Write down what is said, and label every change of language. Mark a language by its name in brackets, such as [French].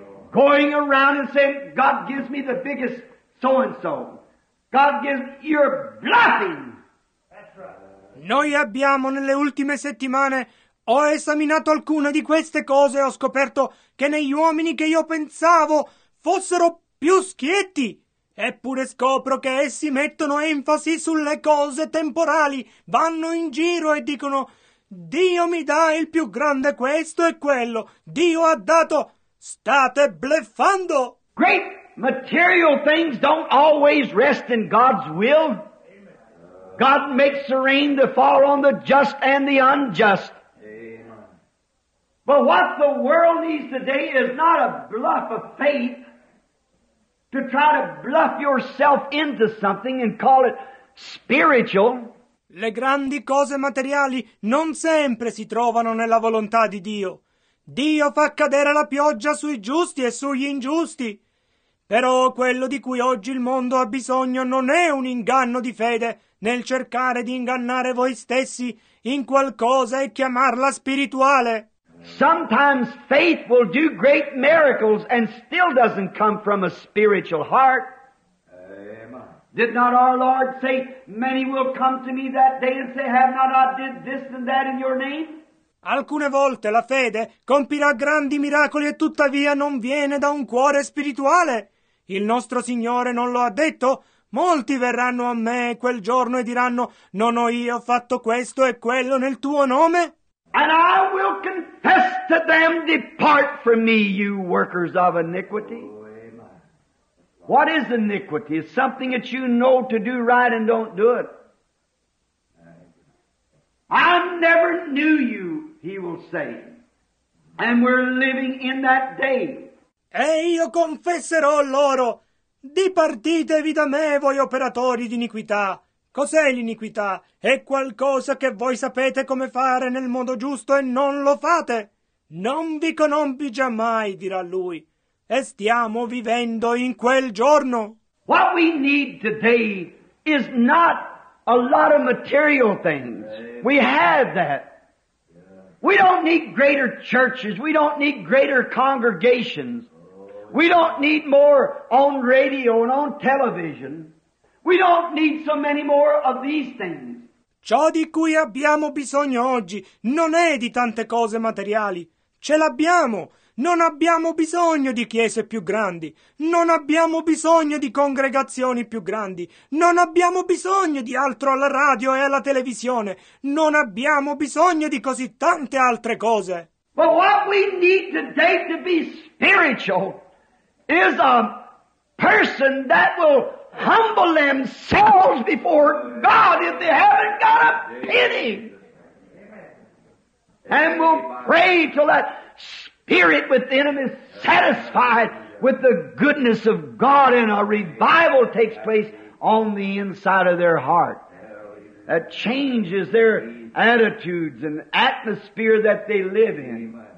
[English] Going around and saying, God gives me the biggest so-and-so. God gives, you're bluffing. That's right. [Italian] Noi abbiamo nelle ultime settimane, ho esaminato alcune di queste cose e ho scoperto che negli uomini che io pensavo fossero più schietti, eppure scopro che essi mettono enfasi sulle cose temporali, vanno in giro e dicono, Dio mi dà il più grande questo e quello. Dio ha dato. State bluffando. [English] Great material things don't always rest in God's will. Amen. God makes the rain to fall on the just and the unjust. Amen. But what the world needs today is not a bluff of faith to try to bluff yourself into something and call it spiritual. [Italian] Le grandi cose materiali non sempre si trovano nella volontà di Dio. Dio fa cadere la pioggia sui giusti e sugli ingiusti. Però quello di cui oggi il mondo ha bisogno non è un inganno di fede nel cercare di ingannare voi stessi in qualcosa e chiamarla spirituale. [English] Sometimes faith will do great miracles and still doesn't come from a spiritual heart. Did not our Lord say, many will come to me that day and say, have not I did this and that in your name? [Italian] Alcune volte la fede compirà grandi miracoli e tuttavia non viene da un cuore spirituale. Il nostro Signore non lo ha detto? Molti verranno a me quel giorno e diranno, non ho io fatto questo e quello nel tuo nome? [English] And I will confess to them, depart from me, you workers of iniquity. What is iniquity? It's something that you know to do right and don't do it. I never knew you, he will say. And we're living in that day. [Italian] E io confesserò loro, Dipartitevi da me, voi operatori di iniquità. Cos'è l'iniquità? È qualcosa che voi sapete come fare nel modo giusto e non lo fate. Non vi conobbi giammai, dirà lui. E stiamo vivendo in quel giorno. [English] What we need today is not a lot of material things. We have that. We don't need greater churches. We don't need greater congregations. We don't need more on radio and on television. We don't need so many more of these things. [Italian] Ciò di cui abbiamo bisogno oggi non è di tante cose materiali. Ce l'abbiamo. Non abbiamo bisogno di chiese più grandi. Non abbiamo bisogno di congregazioni più grandi. Non abbiamo bisogno di altro alla radio e alla televisione. Non abbiamo bisogno di così tante altre cose. [English] But what we need today to be spiritual is a person that will humble themselves before God if they haven't got a penny. And will pray till that spirit within them is satisfied with the goodness of God, and a revival takes place on the inside of their heart that changes their attitudes and atmosphere that they live in.